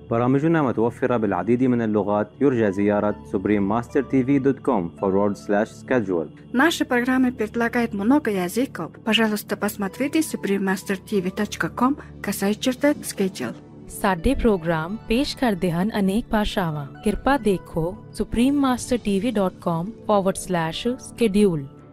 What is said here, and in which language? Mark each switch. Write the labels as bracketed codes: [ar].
[ar] برامجنا متوفرة بالعديد من اللغات. يرجى زيارة suprememastertv.com/schedule. [ru] Наша программа предлагает много языков. Пожалуйста, посмотрите suprememastertv.com/schedule. [pa] ਸਾਡੇ programme ਪੇਸ਼ ਕਰਦੇ ਹਨ ਅਨੇਕ ਭਾਸ਼ਾਵਾਂ ਕਿਰਪਾ ਦੇਖੋ suprememastertv.com/schedule